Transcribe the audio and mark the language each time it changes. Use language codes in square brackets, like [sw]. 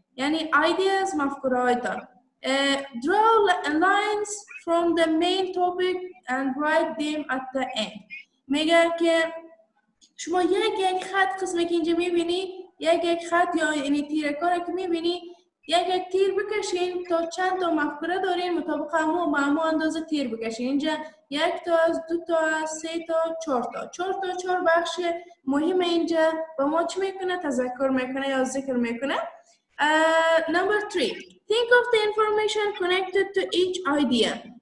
[fa] یعنی ideas مفکره هایتان. [en] Draw lines from the main topic and write them at the end. [fa] میگه که شما یک خط قسمی که اینجا میبینی، یک خط یا یعنی تیره کار که میبینی، یک تیر بکشین تا چند تا مفکره دارین مطابق همو با همو اندازه تیر بکشین. اینجا یک تا از دو تا از سه تا چهار تا. چهار تا چهار بخش مهم اینجا با ما چی میکنه؟ تذکر میکنه یا ذکر میکنه. [en] Number three. Think of the information connected to each idea.